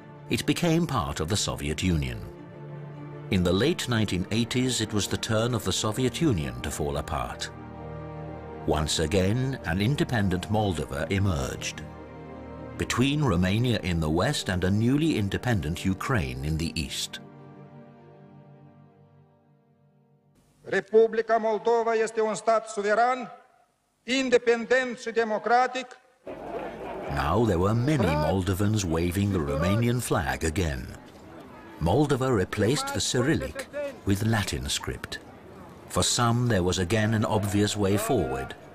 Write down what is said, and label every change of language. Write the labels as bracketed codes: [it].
[en] It became part of the Soviet Union. In the late 1980s, it was the turn of the Soviet Union to fall apart. Once again, an independent Moldova emerged, between Romania in the west and a newly independent Ukraine in the east. [ro] Republica Moldova este un stat suveran, independent și democratic. [en] Now there were many Moldovans waving the Romanian flag again. Moldova replaced the Cyrillic with Latin script. For some, there was again an obvious way forward.